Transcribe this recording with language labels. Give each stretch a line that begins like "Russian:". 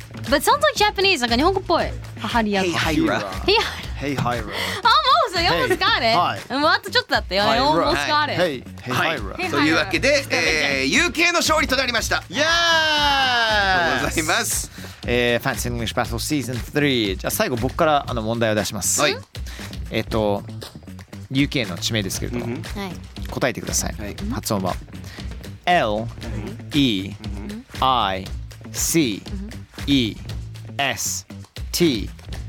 English: But it sounds like Japanese, like a Nihongo boy. Hahiria. Hey, Hira. Hey, Hira. Almost, I almost got it. And what the chuck that they almost got it. Hey, Hira. So you like it?
Japanese: UK の勝利となりました。
English: Yes!
Japanese: ございます。
English: Fancy English Battle Season 3.
Japanese: じゃあ最後僕からあの問題を出します。はい。 UK の地名ですけれども、 mm-hmm. はい、答えてください、はい、発音は LEICESTER。